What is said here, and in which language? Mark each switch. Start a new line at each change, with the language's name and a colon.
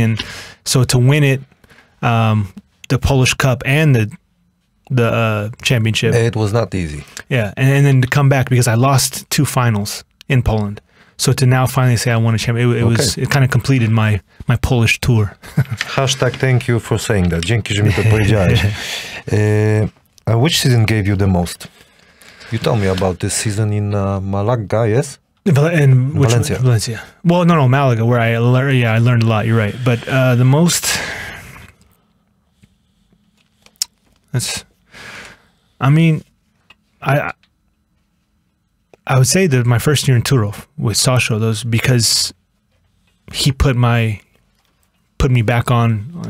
English: And so to win it, the Polish Cup and the championship, it was not easy. Yeah. And then to come back because I lost two finals in Poland. So to now finally say I won a championship, it kind of completed my Polish tour. Hashtag thank you for saying that.
Polish: Dzięki, że mi to powiedziałeś.
English: Which season gave you the most? You told me about this season in Malaga, yes? Valencia. Well, no, Malaga, where I learned a lot. You're right. But the most, I would say that my first year in Turov with Sasha, those because he put me back on.